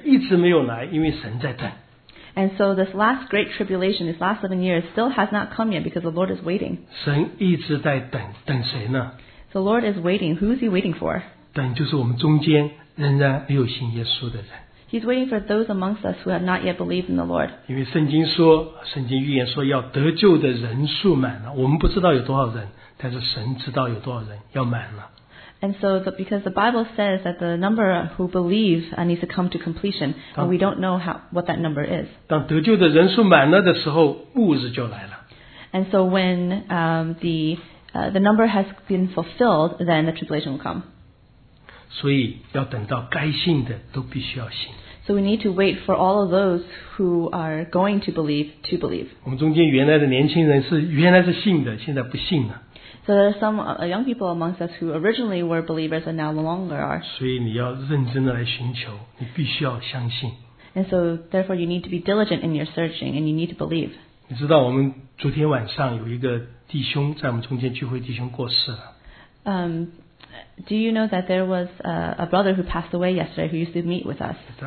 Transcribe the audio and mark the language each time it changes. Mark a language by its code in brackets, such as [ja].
[zh] 这个末世最后七年的大灾难一直没有来，因为神在等。 [en] And so this last great tribulation, this last 7 years, still has not come yet because the Lord is waiting. [zh] 神一直在等，等谁呢？ [en] So the Lord is waiting. Who is He waiting for? [zh] 等就是我们中间仍然没有信耶稣的人。 [en] He's waiting for those amongst us who have not yet believed in the Lord. [zh] 因为圣经说，圣经预言说要得救的人数满了。我们不知道有多少人，但是神知道有多少人要满了。 [en] And so, because the Bible says that the number who believe needs to come to completion, but we don't know what that number is. [zh] 当得救的人数满了的时候，末日就来了。 [en] And so, when the number has been fulfilled, then the tribulation will come. [zh] 所以要等到该信的都必须要信。 [en] So we need to wait for all of those who are going to believe to believe. [zh] 我们中间原来的年轻人是原来是信的，现在不信了。 [en] So there are some young people amongst us who originally were believers and now no longer are. [zh] 所以你要认真的来寻求，你必须要相信。 [en] And so therefore you need to be diligent in your searching and you need to believe. [zh] 你知道我们昨天晚上有一个弟兄在我们中间聚会弟兄过世了。 [en] Do you know that there was a brother who passed away yesterday who used to meet with us?